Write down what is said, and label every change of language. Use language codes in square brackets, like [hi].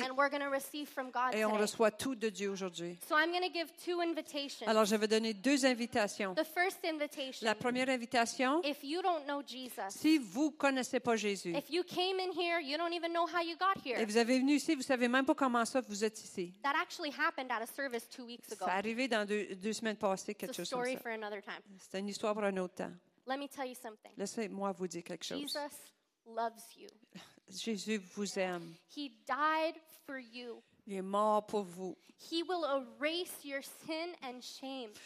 [en] And we're going to receive from God today. [fr] Et on reçoit tout de Dieu aujourd'hui. [en] So I'm going to give two invitations. [fr] Alors je vais donner deux invitations. [en] The first invitation. [fr] La première invitation. [en] If you don't know Jesus. [fr] Si vous connaissez pas Jésus. [en] If you came in here, you don't even know how you got here. [fr] Et vous avez venu ici, vous savez même pas comment ça vous êtes ici. [en] That actually happened at a service 2 weeks ago. [fr] C'est arrivé dans deux semaines passées, quelque chose comme ça. [en] For another time. [fr] C'est une histoire pour un autre temps. [en] Let me tell you something. [fr] Laissez-moi vous dire quelque chose. [en] Jesus loves you. [fr] Jésus vous aime. [en] He died for you. [fr] Il est mort pour vous. [en] He will erase your sin and shame.